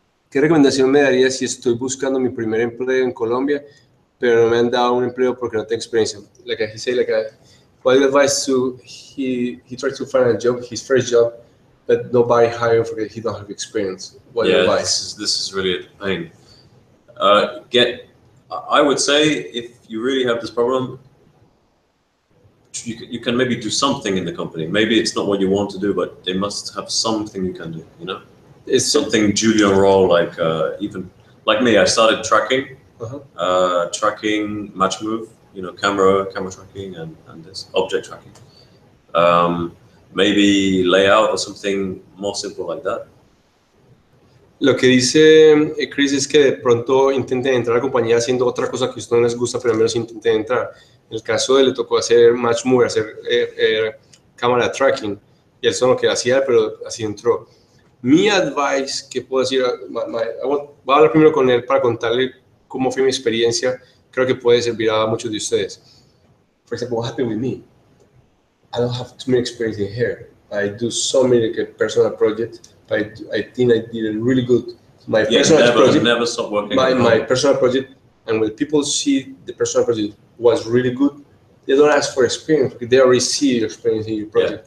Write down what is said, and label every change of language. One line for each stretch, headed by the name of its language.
Spanish: ¿Qué recomendación me daría si estoy buscando mi primer empleo en Colombia, pero no me han dado un empleo porque no tengo experiencia?
English: Like he said, what do you advise to he tried to find a job, his first job, but nobody hired because he don't have experience. What yeah, do you advise? This is really a pain. I would say if you really have this problem. You can maybe do something in the company. Maybe it's not what you want to do, but they must have something you can do, you know? It's something junior role, like even, like me, I started tracking, tracking match move, you know, camera tracking and this object tracking. Maybe layout or something more simple like that.
Spanish: Lo que dice Chris es que de pronto intente entrar a la compañía haciendo otra cosa que a usted no les gusta, pero al menos intente entrar. En el caso de él, le tocó hacer match move, hacer cámara tracking, y eso es lo que hacía, pero así entró. Mi advice, que puedo decir, voy a hablar primero con él para contarle cómo fue mi experiencia, creo que puede servir a muchos de ustedes.
English: For example, what happened with me? I don't have too many experience in here. I do so many personal projects, but I think I did it really good. My personal project, and when people see the personal project, was really good. They don't ask for experience because they already see your experience in your project.